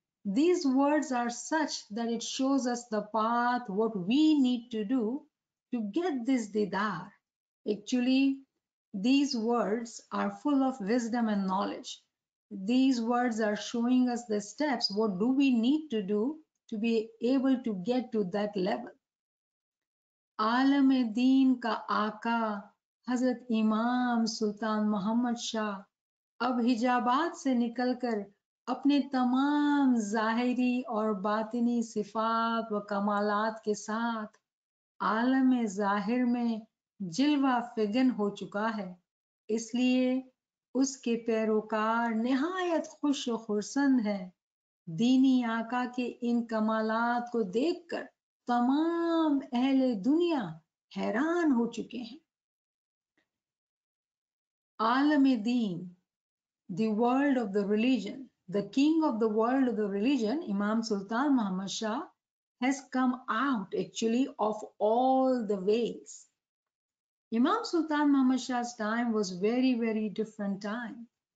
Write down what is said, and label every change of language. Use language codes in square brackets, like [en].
[en] These words are such that it shows us the path, what we need to do to get this didar. Actually, these words are full of wisdom and knowledge. These words are showing us the steps, what do we need to do to be able to get to that level. [ur] Alam-e-deen ka aqa, Hazrat Imam Sultan Muhammad Shah, ab hijabat se nikal kar, اپنے تمام ظاہری اور باطنی صفات و کمالات کے ساتھ عالم ظاہر میں جلوہ فگن ہو چکا ہے, اس لیے اس کے پیروکار نہایت خوش و خرسند ہے. دینی آقا کے ان کمالات کو دیکھ کر تمام اہل دنیا حیران ہو چکے ہیں. عالم دین, [en] the world of the religion, the king of the world of the religion, Imam Sultan Muhammad Shah, has come out actually of all the ways. Imam Sultan Muhammad Shah's time was very, very different time.